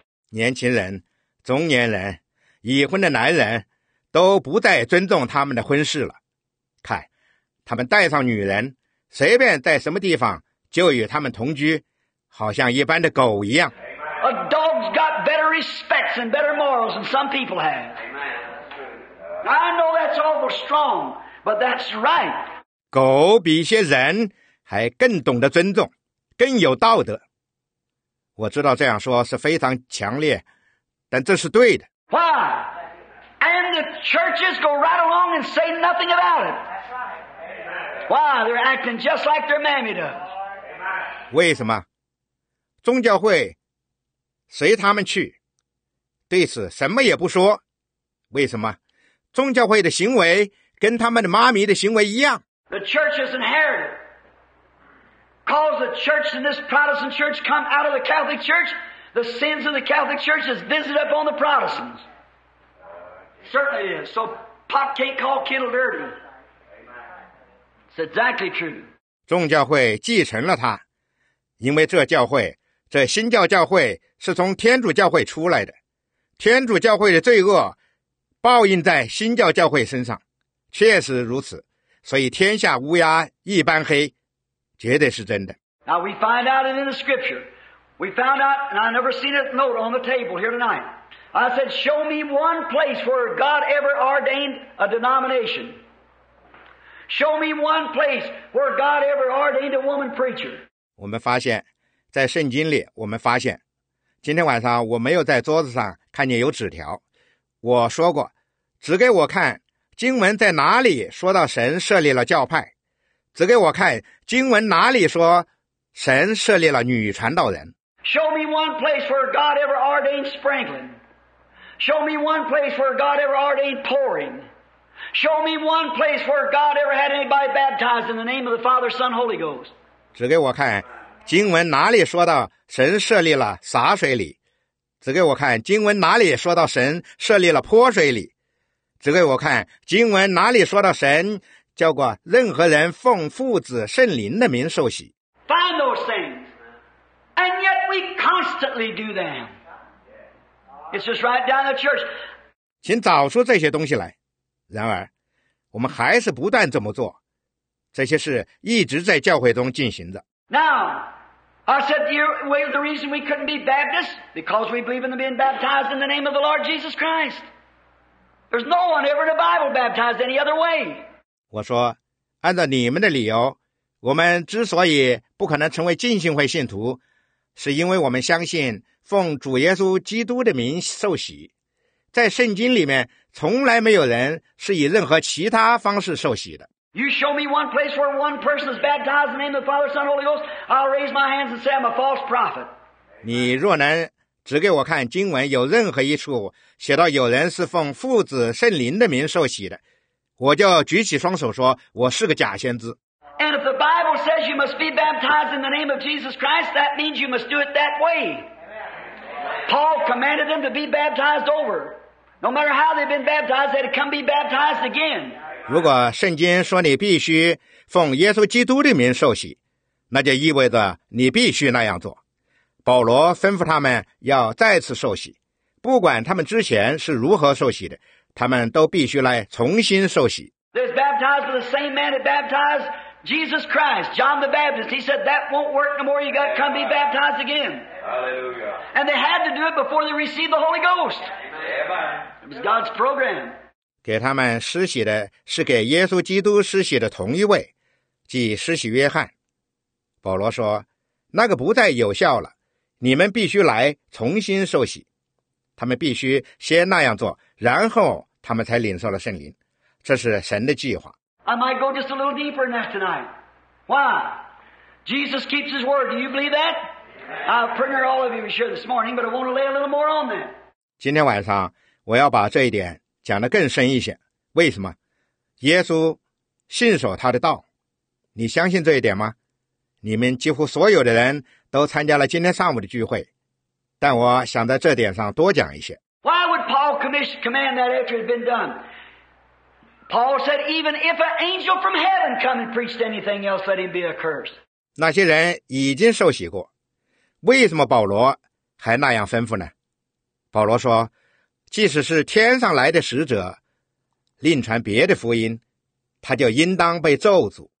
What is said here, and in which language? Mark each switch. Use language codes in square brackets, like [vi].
[zh] 年轻人、中年人、已婚的男人都不再尊重他们的婚事了，看他们带上女人随便在什么地方就与他们同居，好像一般的狗一样。 [en] A dog's got better respects and better morals than some people have. I know that's awful strong, but that's right. [zh] 狗比一些人还更懂得尊重，更有道德。我知道这样说是非常强烈，但这是对的。 [en] Why? And the churches go right along and say nothing about it. Why? They're acting just like their mammy does. [zh] 为什么？宗教会随他们去，对此什么也不说。为什么？宗教会的行为跟他们的妈咪的行为一样。 [en] The church has inherited. Cause the church and this Protestant church come out of the Catholic church. The sins of the Catholic Church is visited upon the Protestants. Certainly is. So pot can't call kettle dirty. It's exactly true. [zh] 众教会继承了它，因为这教会，这新教教会是从天主教会出来的。天主教会的罪恶报应在新教教会身上，确实如此。所以天下乌鸦一般黑，绝对是真的。 [en] Now we find out it in the Scripture. We found out, and I never seen a note on the table here tonight. I said, show me one place where God ever ordained a denomination. Show me one place where God ever ordained a woman preacher. [zh] 我们发现，在圣经里，我们发现，今天晚上我没有在桌子上看见有纸条。我说过，指给我看经文在哪里说到神设立了教派，指给我看经文哪里说神设立了女传道人。 [en] Show me one place where God ever ordained sprinkling. Show me one place where God ever ordained pouring. Show me one place where God ever had anybody baptized in the name of the Father, Son, Holy Ghost. [zh] 指给我看经文哪里说到神设立了洒水礼，指给我看经文哪里说到神设立了泼水礼，指给我看经文哪里说到神叫过任何人奉父子圣灵的名受洗。 [en] Find those things, and yet we constantly do them. It's just right down the church. [zh] 请找出这些东西来，然而我们还是不断这么做，这些事一直在教会中进行着。 [en] Now, I said, the reason we couldn't be Baptists, because we believe in being baptized in the name of the Lord Jesus Christ. There's no one ever in the Bible baptized any other way. [zh] 我说，按照你们的理由，我们之所以不可能成为浸信会信徒，是因为我们相信奉主耶稣基督的名受洗。在圣经里面，从来没有人是以任何其他方式受洗的。 [en] You show me one place where one person is baptized in the name of the Father, Son, Holy Ghost, I'll raise my hands and say I'm a false prophet. [zh] 你若能指给我看经文有任何一处写到有人是奉父子圣灵的名受洗的，我就举起双手说我是个假先知。 [en] And if the Bible says you must be baptized in the name of Jesus Christ, that means you must do it that way. Paul commanded them to be baptized over. No matter how they've been baptized, they had to come be baptized again. [zh] 如果圣经说你必须奉耶稣基督的名受洗，那就意味着你必须那样做。保罗吩咐他们要再次受洗，不管他们之前是如何受洗的，他们都必须来重新受洗。 [en] They're baptized with the same man that baptized Jesus Christ, John the Baptist. He said, that won't work no more, you got to come be baptized again. Hallelujah. And they had to do it before they received the Holy Ghost. Amen. It was God's program. [zh] 给他们施洗的是给耶稣基督施洗的同一位，即施洗约翰。保罗说，那个不再有效了，你们必须来重新受洗。他们必须先那样做，然后他们才领受了圣灵，这是神的计划。 [en] I might go just a little deeper than that tonight. Why? Jesus keeps his word. Do you believe that? I'll pretty near all of you sure this morning, but I want to lay a little more on that. [zh] 今天晚上我要把这一点讲得更深一些。为什么？耶稣信守他的道，你相信这一点吗？你们几乎所有的人都参加了今天上午的聚会，但我想在这点上多讲一些。 [en] Why would Paul command that after it had been done? Paul said, even if an angel from heaven come and preached anything else, let him be accursed. [zh] 那些人已经受洗过，为什么保罗还那样吩咐呢？保罗说，即使是天上来的使者另传别的福音，他就应当被咒诅。